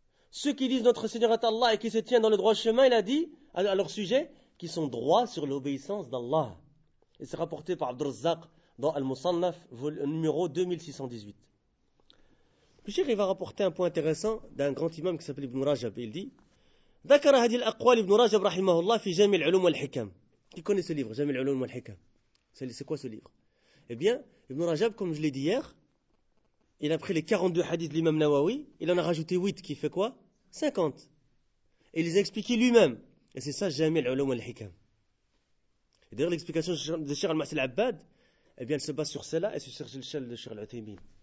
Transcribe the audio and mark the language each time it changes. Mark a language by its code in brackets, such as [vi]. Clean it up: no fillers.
[fr] Ceux qui disent notre Seigneur est Allah et qui se tiennent dans le droit chemin, il a dit à leur sujet qu'ils sont droits sur l'obéissance d'Allah. Et c'est rapporté par Abd al-Razzaq dans Al-Musannaf, numéro 2618. Le cheikh va rapporter un point intéressant d'un grand imam qui s'appelle Ibn Rajab. Il dit [ar] ذكر هذه الأقوال ابن رجب رحمه الله في جامع العلوم والحكم. [fr] Qui connaît ce livre, جامع العلوم والحكم? C'est quoi ce livre? Eh bien, Ibn Rajab, comme je l'ai dit hier, il a pris les 42 hadiths de l'imam Nawawi, il en a rajouté 8, qui fait quoi? 50. Et il les a expliqués lui-même. Et c'est ça, جامع العلوم والحكم. Et d'ailleurs, l'explication de Cheikh Al-Masil Abbad, eh bien, elle se base sur cela et sur le chal de Cheikh Al-Uthaymin.